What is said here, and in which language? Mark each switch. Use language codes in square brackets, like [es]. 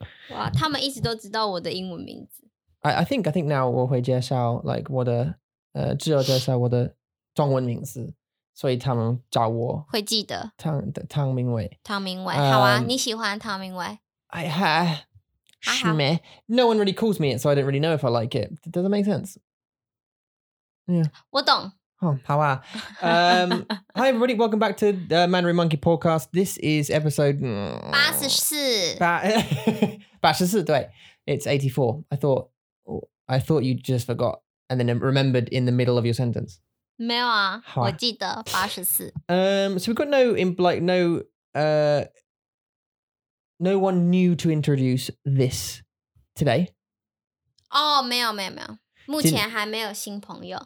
[zh] 哇，他们一直都知道我的英文名字。 I think now 我会介绍 like 我的只有介绍我的中文名字，所以他们找我会记得唐明伟。唐明伟，好啊，你喜欢唐明伟？哎哈。Shmeh. [en] No one really calls me it, so I don't really know if I like it. Does that make sense? Yeah. [zh] 我懂。 [en] 好啊。 Hi everybody, welcome back to the Mandarin Monkey Podcast. This is episode... 84. 84, 对。 It's 84. I thought you just forgot and then remembered in the middle of your sentence. [zh] 没有啊。我记得84。 [en] So we've got no one new to introduce this today. [zh] Oh, 没有没有没有，目前还没有新朋友。